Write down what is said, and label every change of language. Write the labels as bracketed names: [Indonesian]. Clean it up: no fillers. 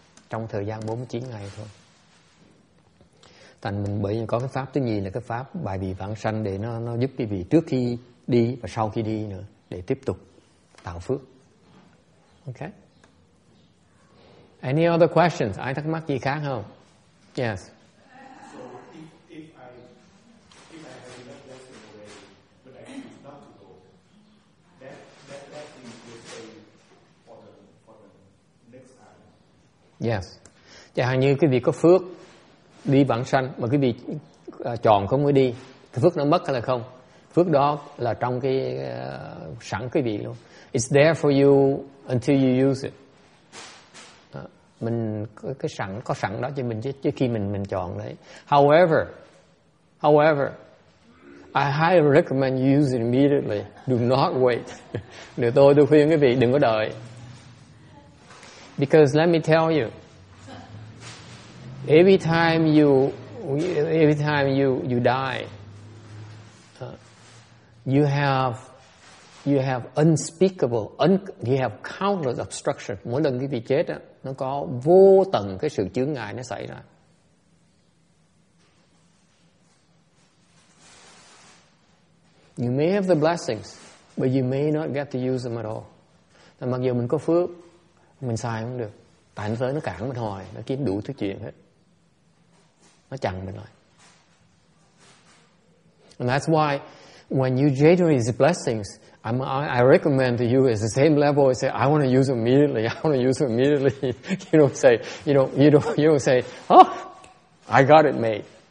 [Vietnamese] Trong thời gian 49 ngày thôi. Thành mình bởi vì có cái pháp thứ nhì là cái pháp bài vị vãng sanh để nó giúp quý vị trước khi đi và sau khi đi nữa để tiếp tục tạo phước. [English] Okay. Any other questions? [Vietnamese] Ai thắc mắc gì khác không? [English] Yes. So if I have enough blessing already, but I choose not to go, that blessing will stay for the next time. Yes. [Vietnamese] Chẳng hạn như quý vị có phước đi vãng sanh mà quý vị chọn không có đi, thì phước nó mất hay là không? Phước đó là trong cái sẵn quý vị luôn. [English] It's there for you until you use it. [Vietnamese] Mình cái sẵn có sẵn đó cho mình chứ khi mình chọn đấy. [English] However, I highly recommend you use it immediately. Do not wait. [Vietnamese] Nếu tôi khuyên quý vị đừng có đợi. [English] Because let me tell you, every time you die, you have you have unspeakable, you have countless obstruction. [Vietnamese] Mỗi lần quý vị chết á, nó có vô tận cái sự chướng ngại nó xảy ra. [English] You may have the blessings, but you may not get to use them at all. [Vietnamese] Thì mặc dù mình có phước, mình xài không được. Tại nó tới nó cản mình hoài, nó kiếm đủ thứ chuyện hết. Nó chặn mình lại. [English] And that's why when you generate the blessings, I recommend to you at the same level, say, I want to use it immediately. I want to use it immediately. You don't say, you don't say, oh, I got it made.